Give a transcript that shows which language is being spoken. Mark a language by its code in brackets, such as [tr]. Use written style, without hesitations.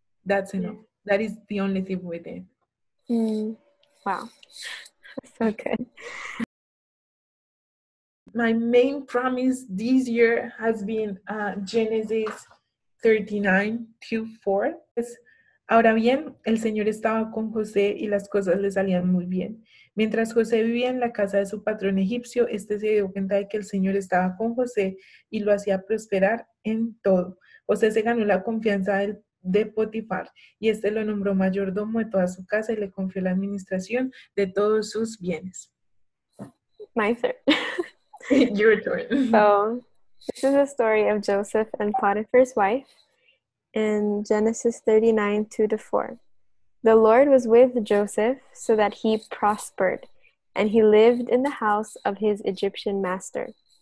[en] That's enough. Yeah. That is the only thing we did. Mm. Wow. So good. My main promise this year has been Genesis 39:2-4. [es] Ahora bien, el Señor estaba con José y las cosas le salían muy bien. Mientras José vivía en la casa de su patrón egipcio, este se dio cuenta de que el Señor estaba con José y lo hacía prosperar en todo. José se ganó la confianza de Potifar y este lo nombró mayordomo de toda su casa y le confió la administración de todos sus bienes. [en] My turn. Your turn. So, this is a story of Joseph and Potiphar's wife. In Genesis 39:2-4, the Lord was with Joseph so that he prospered, and he lived in the house of his Egyptian master.